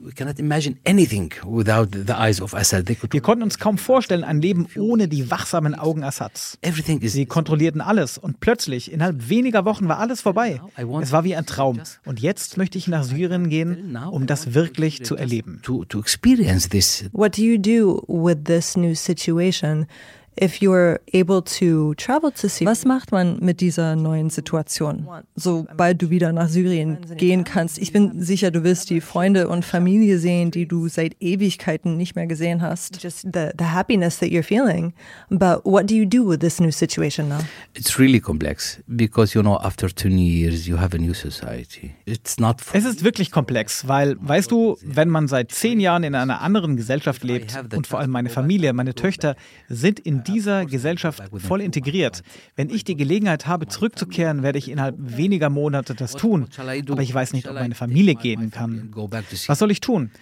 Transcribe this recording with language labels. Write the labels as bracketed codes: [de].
[de] Wir konnten uns kaum vorstellen, ein Leben ohne die wachsamen Augen Assads. Sie kontrollierten alles und plötzlich, innerhalb weniger Wochen, war alles vorbei. Es war wie ein Traum. Und jetzt möchte ich nach Syrien gehen, um das wirklich zu erleben. [en] To experience this. What do you do with this new situation? If you're able to travel to Syria. [de] Was macht man mit dieser neuen Situation, sobald du wieder nach Syrien gehen kannst? Ich bin sicher, du wirst die Freunde und Familie sehen, die du seit Ewigkeiten nicht mehr gesehen hast. [en] Just the happiness that you're feeling. But what do you do with this new situation now? It's really complex because, you know, after 20 years you have a new society. It's not. [de] Es ist wirklich komplex, weil, weißt du, wenn man seit 10 Jahren in einer anderen Gesellschaft lebt und vor allem meine Familie, meine Töchter sind in dieser Gesellschaft voll integriert. Wenn ich die Gelegenheit habe, zurückzukehren, werde ich innerhalb weniger Monate das tun. Aber ich weiß nicht, ob meine Familie gehen kann. Was soll ich tun?